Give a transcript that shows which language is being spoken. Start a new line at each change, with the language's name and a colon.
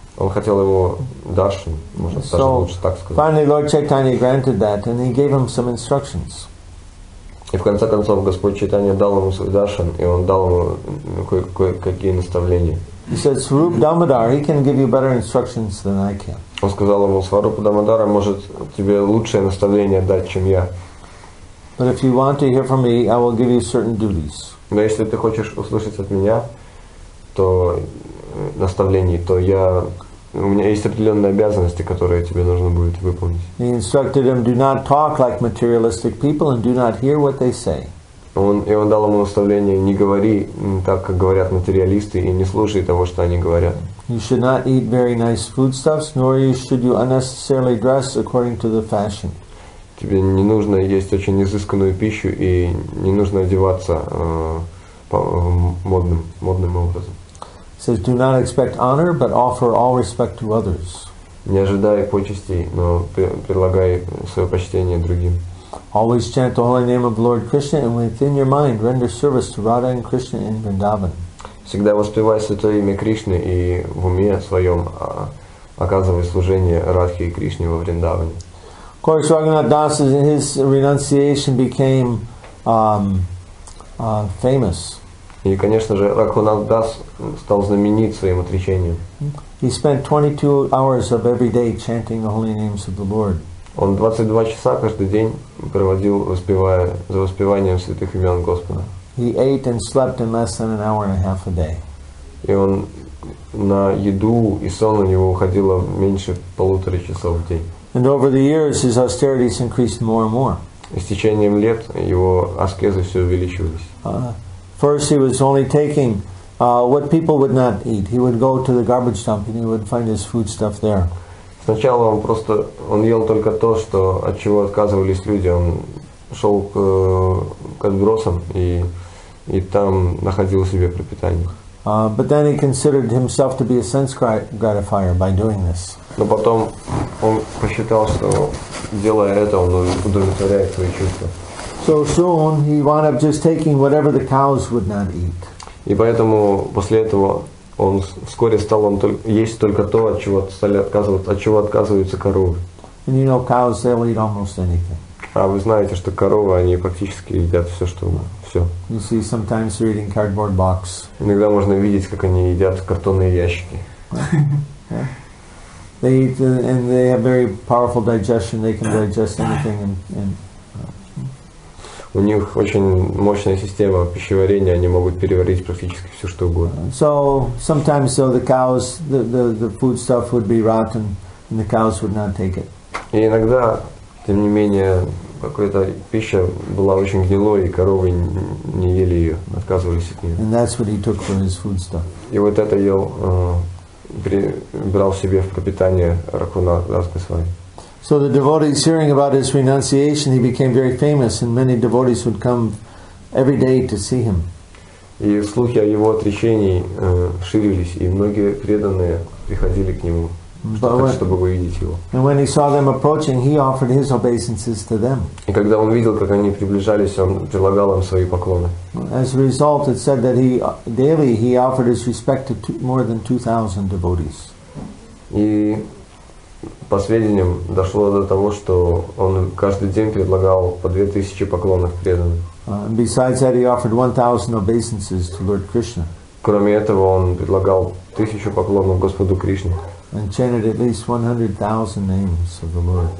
Russian: Он хотел его даршан, можно
English: so,
Russian: даже лучше так сказать.
English: Finally, Lord Chaitanya granted that, and he gave him some instructions.
Russian: И в конце концов Господь Чайтанья дал ему свой даршан, и он дал ему кое-какие наставления.
English: He said, Swarup Damodara, he can give you better instructions than I can.
Russian: Он сказал ему, Сварупа Дамодара может тебе лучшее наставление дать, чем я.
English: But if you want to hear from me, I will give you certain duties.
Russian: Но если ты хочешь услышать от меня, то наставлений, то я, у меня есть определенные обязанности, которые тебе нужно будет выполнить.
English: He instructed him, do not talk like materialistic people and do not hear what they say.
Russian: Он дал ему наставление, не говори так, как говорят материалисты, и не слушай того, что они говорят.
English: You should not eat very nice foodstuffs, nor should you unnecessarily dress according to the fashion.
Russian: Тебе не нужно есть очень изысканную пищу и не нужно одеваться модным образом.
English: Says, do not expect honor, but offer all respect to others.
Russian: Не ожидай почестей, но предлагай свое почтение другим.
English: Always chant the holy name of Lord Krishna, and within your mind render service to Radha and Krishna in Vrindavan.
Russian: Всегда воспевай святое имя Кришны и в уме своем оказывай служение Радхе и Кришне во Вриндаване.
English: Of course, Raghunath Das, his renunciation became famous.
Russian: И, конечно же, Рагхунат Дас стал знаменит своим отречением.
English: He spent 22 hours of every day chanting the holy names of the Lord.
Russian: Он 22 часа каждый день проводил, воспевая, за воспеванием святых имен Господа.
English: He ate and slept in less than an hour and a half a day.
Russian: И он на еду и сон у него уходило меньше полутора часов в день.
English: And over the years his austerities increased more and more.
Russian: И с течением лет его аскезы все увеличивались.
English: First he was only taking what people would not eat. He would go to the garbage dump and he would find his food stuff there.
Russian: Сначала он ел только то, что от чего отказывались люди. Он шел к отбросам и там находил себе пропитание.
English: But then he considered himself to be a sense gratifier by doing this.
Russian: Но потом он посчитал, что делая это, он удовлетворяет свои чувства.
English: So soon he wound up just taking whatever the cows would not eat.
Russian: И поэтому после этого он вскоре стал он есть только то, от чего стали отказывать, от чего отказываются коровы.
English: And you know cows, they'll eat almost anything.
Russian: А вы знаете, что коровы они практически едят все, что все.
English: You see, sometimes they're eating cardboard box.
Russian: Иногда можно видеть, как они едят картонные ящики.
English: They eat and they have very powerful digestion. They can digest anything and
Russian: у них очень мощная система пищеварения, они могут переварить практически все, что угодно.
English: So, sometimes so the cows, the food stuff would be rotten, and the cows would not take it.
Russian: И иногда, тем не менее, какая-то пища была очень гнилой, и коровы не ели ее, отказывались от нее.
English: And that's what he took for his food stuff.
Russian: И вот это ел, брал себе в пропитание Рагхунат Дас Госвами.
English: So the devotees hearing about his renunciation, he became very famous, and many devotees would come every day to see him.
Russian: И слухи о его отречении ширились, и многие преданные приходили к нему, чтобы увидеть его.
English: And when he saw them approaching, he offered his obeisances to them.
Russian: И когда он видел, как они приближались, он предлагал им свои поклоны.
English: As a result, it said that he daily offered his respect to more than 2,000 devotees.
Russian: И по сведениям, дошло до того, что он каждый день предлагал по 2000 поклонов преданным.
English: Besides that, he offered 1,000 obeisances to Lord Krishna.
Russian: Кроме этого, он предлагал 1000 поклонов Господу Кришне.
English: And chanted at least 100,000 names of the Lord.